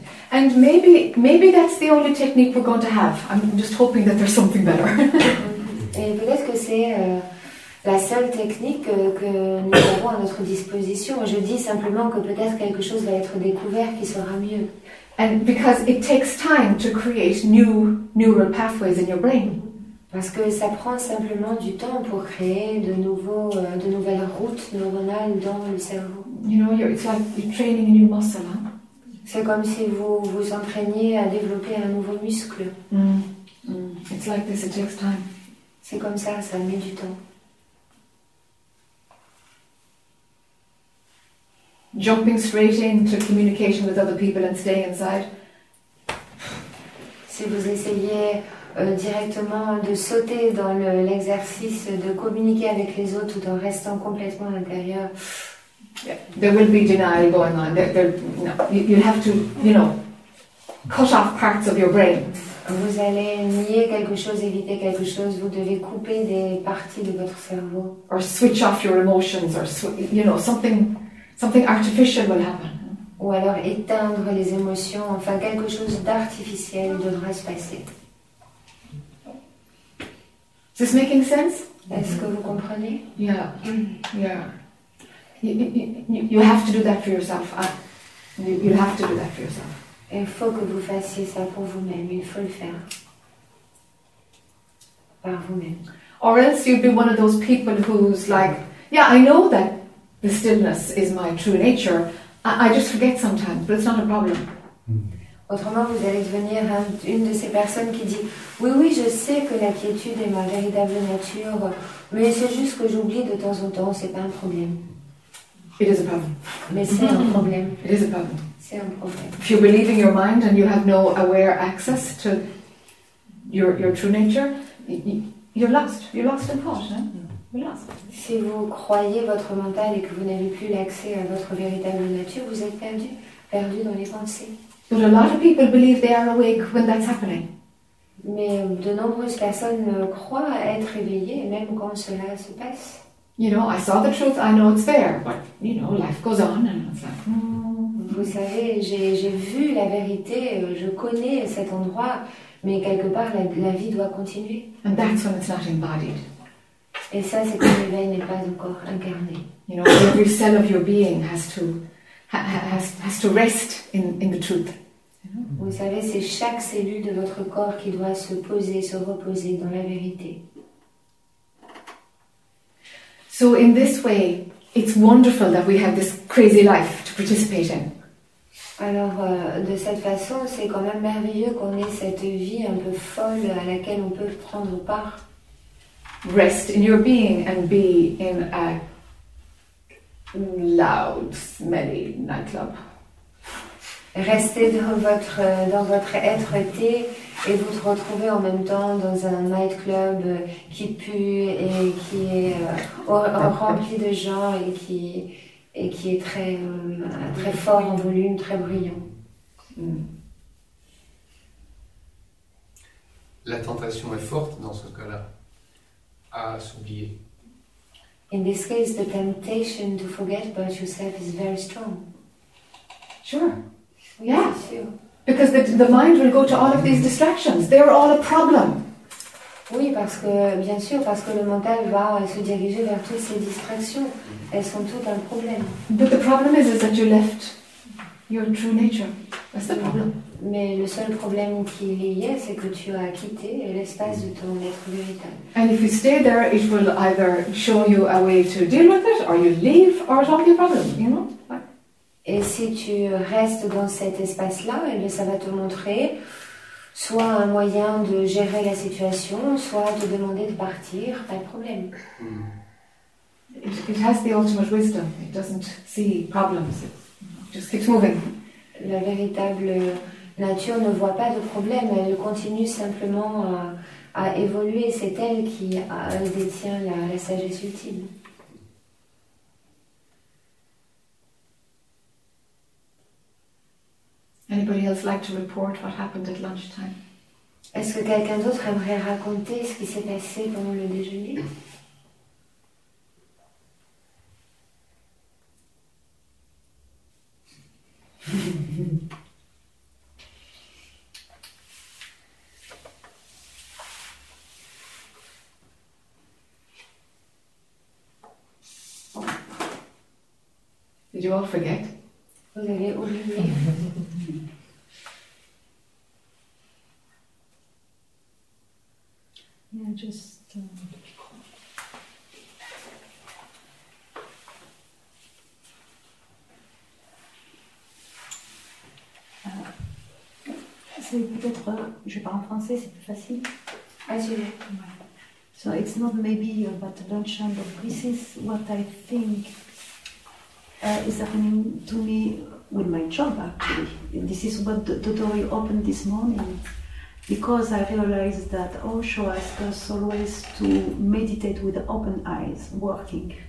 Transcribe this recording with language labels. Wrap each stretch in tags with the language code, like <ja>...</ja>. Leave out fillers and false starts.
<en>And maybe that's the only technique we're going to have. I'm just hoping that there's something better.</en> <fr>Et peut-être que c'est la seule technique que nous avons à notre disposition. Je dis simplement que peut-être quelque chose va être découvert qui sera mieux.</fr> <en>And because it takes time to create new neural pathways in your brain.</en> <fr>Parce que ça prend simplement du temps pour créer de nouvelles routes neuronales dans le cerveau.</fr> <en>You know, it's like you're training a new muscle.</en> <fr>Hein? C'est comme si vous entraîniez à développer un nouveau muscle.</fr> <en>It's like this. It takes time.</en> <fr>C'est comme ça. Ça met du temps.</fr> <en>Jumping straight into communication with other people and staying inside.</en> <fr>Si vous essayez directement de sauter dans l'exercice de communiquer avec les autres tout en restant complètement à l'intérieur,</fr> <en>there will be denial going on. You'll have to, you know, cut off parts of your brain.</en> <fr>Vous allez nier quelque chose, éviter quelque chose. Vous devez couper des parties de votre cerveau.</fr> <en>Or switch off your emotions, or something artificial will happen.</en> <fr>Ou alors éteindre les émotions, enfin quelque chose d'artificiel devra se passer.</fr> <en>Is this making sense?</en> <fr>Est-ce que vous comprenez?</fr> <en>Yeah. You have to do that for yourself. You have to do that for yourself.</en> <fr>Il faut que vous fassiez ça pour vous-même. Il faut le faire. Par vous-même.</fr> <en>Or else you'd be one of those people who's like, yeah, I know that the stillness is my true nature. I just forget sometimes, but it's not a problem.</en> <fr>Autrement, vous allez devenir une de ces personnes qui dit « Oui, oui, je sais que la quiétude est ma véritable nature, mais c'est juste que j'oublie de temps en temps, c'est pas un problème. »</fr> <en>It is a problem.</en> <fr>Mais c'est un problème.</fr> <en>It is a problem.</en> <fr>C'est un problème.</fr> <en>If you're believing your mind and you have no aware access to your true nature, you're lost. You're lost in thought, hein?</en> <fr>Si vous croyez votre mental et que vous n'avez plus l'accès à votre véritable nature, vous êtes perdu dans les pensées.</fr> <en>But a lot of people believe they are awake when that's happening.</en> <fr>Mais de nombreuses personnes croient être éveillées même quand cela se passe.</fr> <en>You know, I saw the truth, I know it's there, but you know, life goes on, and it's like.</en> <fr>Vous savez, j'ai vu la vérité, je connais cet endroit, mais quelque part la vie doit continuer.</fr> <en>And that's when it's not embodied.</en> <fr>Et ça, c'est quand l'éveil n'est pas encore incarné.</fr> <en>You know, every cell of your being has to has to rest in the truth.</en> <fr>Vous savez, c'est chaque cellule de votre corps qui doit se poser, se reposer dans la vérité.</fr> <en>So in this way, it's wonderful that we have this crazy life to participate in.</en> <fr>Alors, de cette façon, c'est quand même merveilleux qu'on ait cette vie un peu folle à laquelle on peut prendre part.</fr> <en>Rest in your being and be in a loud, smelly nightclub.</en> <fr>Restez dans votre être-té et vous vous retrouvez en même temps dans un nightclub qui pue et qui est rempli de gens et qui est très, très fort en volume, très bruyant. La tentation est forte dans ce cas-là à s'oublier.</fr> <en>In this case, the temptation to forget about yourself is very strong. Sure. Yeah. Because the mind will go to all of these distractions. They are all a problem.</en> <fr>Oui, parce que bien sûr, parce que le mental va se diriger vers toutes ces distractions. Elles sont toutes un problème.</fr> <en>But the problem is that you left your true nature. That's the problem.</en> <fr>Mais le seul problème qui y est, c'est que tu as quitté l'espace de ton être véritable.</fr> <en>And if you stay there, it will either show you a way to deal with it, or you leave, or solve your problem. You know?</en> <fr>Et si tu restes dans cet espace-là, eh bien, ça va te montrer soit un moyen de gérer la situation, soit te demander de partir, pas de problème.</fr> <en>It has the ultimate wisdom. It doesn't see problems. It just keeps moving.</en> <fr>La véritable nature ne voit pas de problème. Elle continue simplement à évoluer. C'est elle qui détient la sagesse ultime.</fr> <en>Anybody else like to report what happened at lunchtime?</en> <fr>Est-ce que quelqu'un d'autre aimerait raconter ce qui s'est passé pendant le déjeuner?</fr> <en>Did you all forget?</en> <fr>Vous avez oublié.</fr> <en>Yeah, just</en> <fr>c'est peut-être je vais parler en français, c'est plus facile.</fr> <en>So it's not maybe about the lunchtime, but this is what I think is happening to me with my job actually. This is what the door opened this morning. Because I realized that Osho asked us always to meditate with open eyes, working.</en>